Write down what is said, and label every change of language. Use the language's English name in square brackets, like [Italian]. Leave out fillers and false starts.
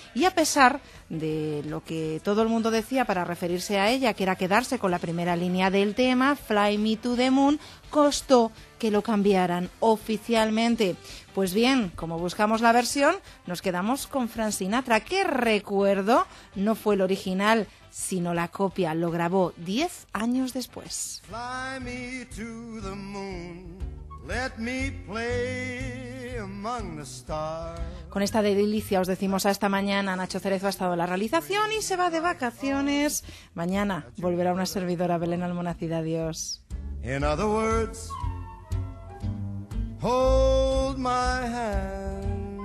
[Spanish] Y a pesar de lo que todo el mundo decía para referirse a ella, que era quedarse con la primera línea del tema, Fly Me to the Moon, costó que lo cambiaran oficialmente. Pues bien, como buscamos la versión, nos quedamos con Frank Sinatra, que recuerdo, no fue el original, sino la copia. Lo grabó 10 años después. [English] Fly me to the moon, let me play among the stars. [Spanish] Con esta delicia os decimos hasta mañana. Nacho Cerezo ha estado en la realización y se va de vacaciones. Mañana volverá una servidora, Belén Almonacid. Adiós. [English] In other words, hold my hand.